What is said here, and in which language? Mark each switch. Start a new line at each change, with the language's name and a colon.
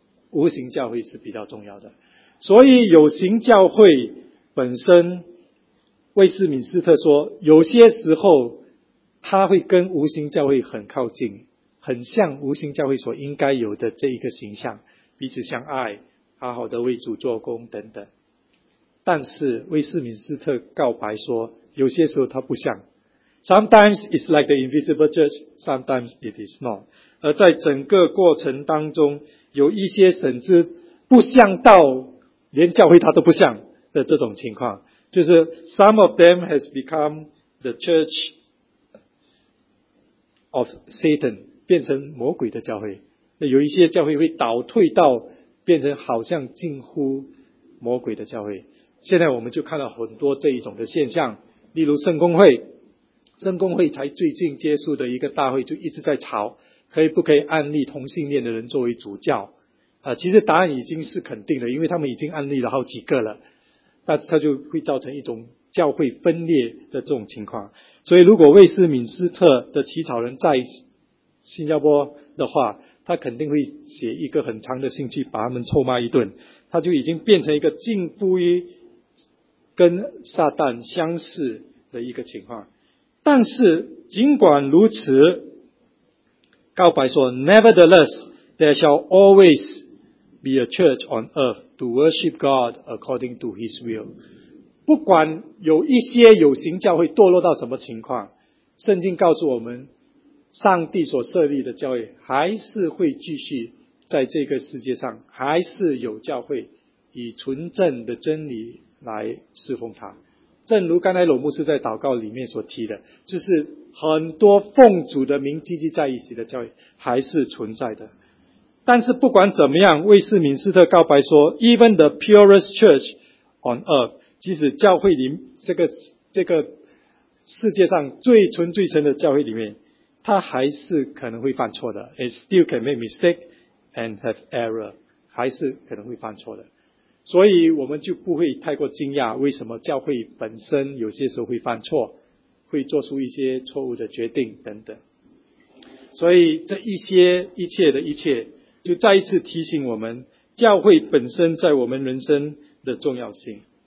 Chinese: 无形教会是比较重要的。所以有形教会本身，威斯敏斯特说，有些时候他会跟无形教会很靠近，很像无形教会所应该有的这一个形象，彼此相爱，好好的为主做工等等。但是威斯敏斯特告白说，有些时候他不像。
English: Sometimes it's like the invisible church, sometimes it is not.
Chinese: 而在整个过程当中，有一些甚至不像到连教会他都不像的这种情况，就是
English: some of them has become the church of Satan,
Chinese: 变成魔鬼的教会，有一些教会会倒退到变成好像近乎魔鬼的教会。现在我们就看到很多这一种的现象，例如圣公会，圣公会才最近结束的一个大会就一直在吵，可以不可以安立同性恋的人作为主教、其实答案已经是肯定的，因为他们已经安立了好几个了，但是它就会造成一种教会分裂的这种情况。所以如果威斯敏斯特的起草人在新加坡的话，他肯定会写一个很长的信去把他们臭骂一顿，他就已经变成一个近乎于跟撒旦相似的一个情况。但是尽管如此，告白说
English: Nevertheless there shall always be a church on earth to worship God according to his will.
Chinese: 不管有一些有形教会堕落到什么情况，圣经告诉我们上帝所设立的教会还是会继续在这个世界上还是有教会以纯正的真理来侍奉他。正如刚才罗牧师在祷告里面所提的，就是很多奉主的名聚集在一起的教会还是存在的。但是不管怎么样，卫斯敏斯特告白说
English: Even the purest church on earth，
Chinese: 即使教会里这个世界上最纯最纯的教会里面，他还是可能会犯错的。
English: It still can make mistake and have error，
Chinese: 还是可能会犯错的。所以我们就不会太过惊讶为什么教会本身有些时候会犯错，会做出一些错误的决定等等。所以这一些一切的一切就再一次提醒我们教会本身在我们人生的重要性。